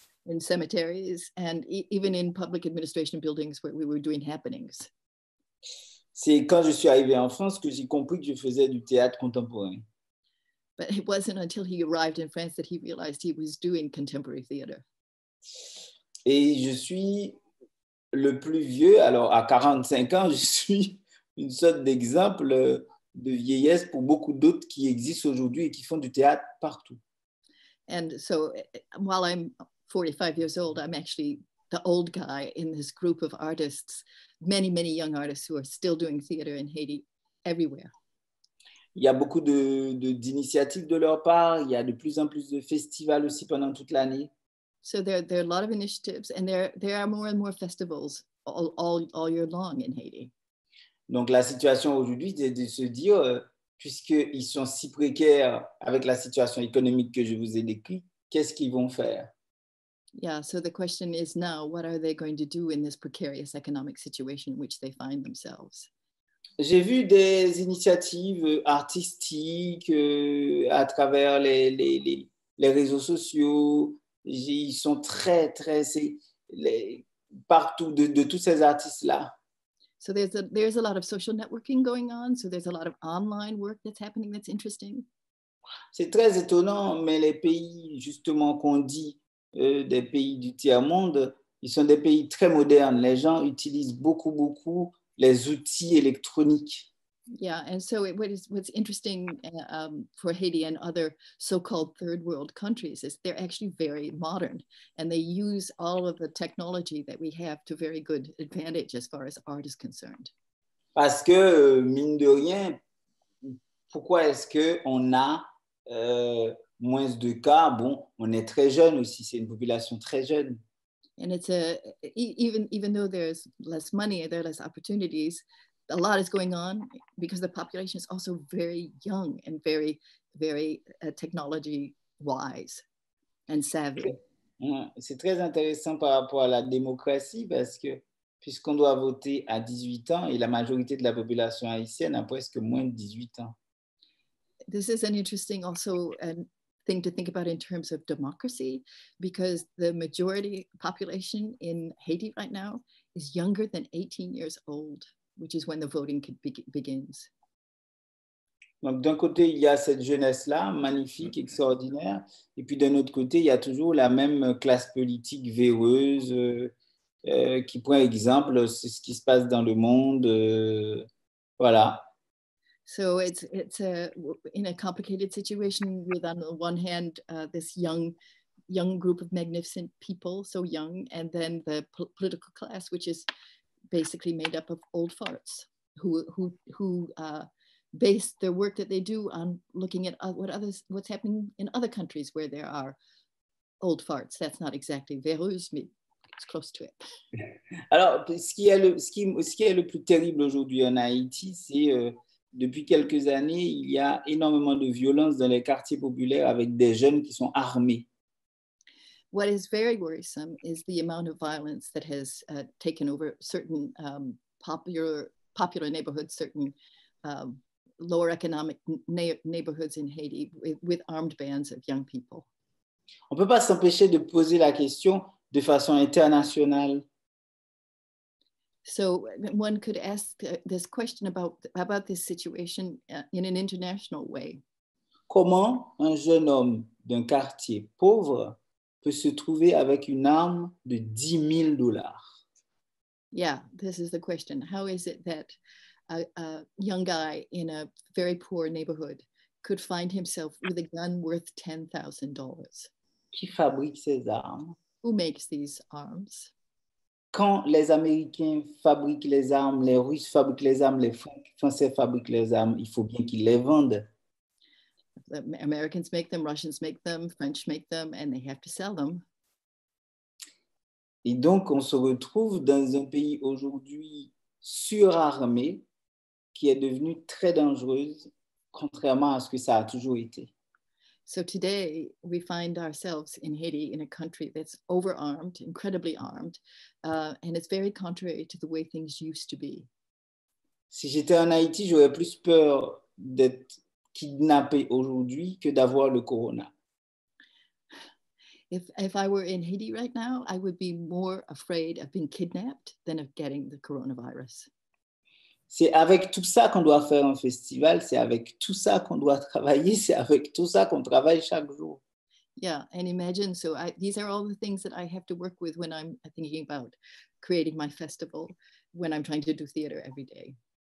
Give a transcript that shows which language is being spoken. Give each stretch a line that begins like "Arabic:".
English: In cemeteries and even in public administration buildings where we were doing happenings.
French: C'est quand je suis arrivé en France que j'ai compris que je faisais du théâtre contemporain.
English: But it wasn't until he arrived in France that he realized he was doing contemporary theater.
French: Et je suis le plus vieux, alors à 45 ans, je suis une sorte d'exemple de vieillesse pour beaucoup d'autres qui existent aujourd'hui et qui font du théâtre partout.
English: And so while I'm 45 years old, I'm actually the old guy in this group of artists, many, many young artists who are still doing theater in Haiti everywhere.
French: Il y a beaucoup d'initiatives de leur part. Il y a de plus en plus de festivals aussi pendant toute l'année.
English: So there are a lot of initiatives and there are more and more festivals all year long in Haiti.
French: Donc la situation aujourd'hui, c'est de se dire, puisqu'ils sont si précaires avec la situation économique que je vous ai décrite, qu'est-ce qu'ils vont faire?
English: Yeah, so the question is now, what are they going to do in this precarious economic situation in which they find themselves?
French: J'ai vu des initiatives artistiques à travers les réseaux sociaux. Ils sont très, très, partout de tous ces artistes-là.
English: So there's a lot of social networking going on. So there's a lot of online work that's happening that's interesting.
French: C'est très étonnant, mais les pays, justement, qu'on dit des pays du tiers-monde, ils sont des pays très modernes. Les gens utilisent beaucoup, beaucoup les outils électroniques.
English: Yeah, and so what's interesting for Haiti and other so-called third world countries is they're actually very modern and they use all of the technology that we have to very good advantage as far as art is concerned.
French: Parce que, mine de rien, pourquoi est-ce qu'on a moins de cas? Bon, on est très jeune aussi, c'est une population très jeune.
English: And it's even though there's less money, there are less opportunities, a lot is going on because the population is also very young and very, very technology wise and savvy.
French: C'est très intéressant par rapport à la démocratie parce que puisqu'on doit voter à 18 ans et la majorité de la population haïtienne a presque moins de 18 ans.
English: This is an interesting also and thing to think about in terms of democracy because the majority population in Haiti right now is younger than 18 years old. Which is when the voting begins.
French: Donc, d'un côté, il y a cette jeunesse-là, magnifique, extraordinaire. Et puis, d'un autre côté, il y a toujours la même classe politique véreuse qui prend exemple, c'est ce qui se passe dans le monde. Voilà.
English: So it's a, in a complicated situation with, on the one hand, this young group of magnificent people, so young, and then the political class, which is basically made up of old farts who base their work that they do on looking at what's happening in other countries where there are old farts. That's not exactly véreuse, mais it's close to it.
French: Alors, ce qui est le plus terrible aujourd'hui en Haïti, c'est depuis quelques années, il y a énormément de violence dans les quartiers populaires avec des jeunes qui sont armés.
English: What is very worrisome is the amount of violence that has taken over certain popular neighborhoods, certain lower economic neighborhoods in Haiti with armed bands of young people.
French: On ne peut pas s'empêcher de poser la question de façon internationale.
English: So one could ask this question about this situation in an international way.
French: Comment un jeune homme d'un quartier pauvre peut se trouver avec une arme de 10 000 dollars?
English: Yeah, this is the question. How is it that a young guy in a very poor neighborhood could find himself with a gun worth $10,000?
French: Qui fabrique ces armes?
English: Who makes these arms?
French: Quand les Américains fabriquent les armes, les Russes fabriquent les armes, les Français fabriquent les armes, il faut bien qu'ils les vendent.
English: The Americans make them, Russians make them, French make them, and they have to sell them.
French: Et donc, on se retrouve dans un pays aujourd'hui surarmé qui est devenu très dangereux, contrairement à ce que ça a toujours été.
English: So today, we find ourselves in Haiti, in a country that's overarmed, incredibly armed, and it's very contrary to the way things used to be.
French: Si j'étais en Haïti, j'aurais plus peur d'être kidnappé aujourd'hui que d'avoir le corona.
English: If I were in Haiti right now, I would be more afraid of being kidnapped than of getting the coronavirus.
French: C'est avec tout ça qu'on doit faire un festival, c'est avec tout ça qu'on doit travailler, c'est avec tout ça qu'on travaille chaque jour.
English: Yeah, and imagine, so these are all the things that I have to work with when I'm thinking about creating my festival, when I'm trying to do theater every day.